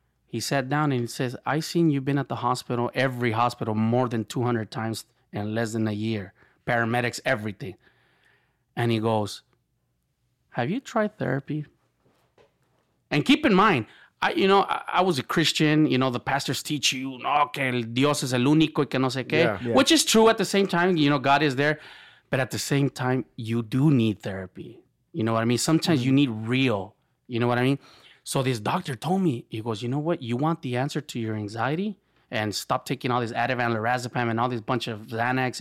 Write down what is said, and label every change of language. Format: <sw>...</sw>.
<en>He sat down and he says, I seen you've been at the hospital, every hospital, more than 200 times in less than a year. Paramedics, everything. And he goes, have you tried therapy? And keep in mind, I was a Christian. You know, the pastors teach you, no,</en> <es>que el Dios es el único y que no sé qué.</es> <en>Yeah, yeah. Which is true at the same time. You know, God is there. But at the same time, you do need therapy. You know what I mean? Sometimes mm-hmm. you need real. You know what I mean? So this doctor told me, he goes, you know what? You want the answer to your anxiety? And stop taking all this Ativan, lorazepam, and all this bunch of Xanax.</en>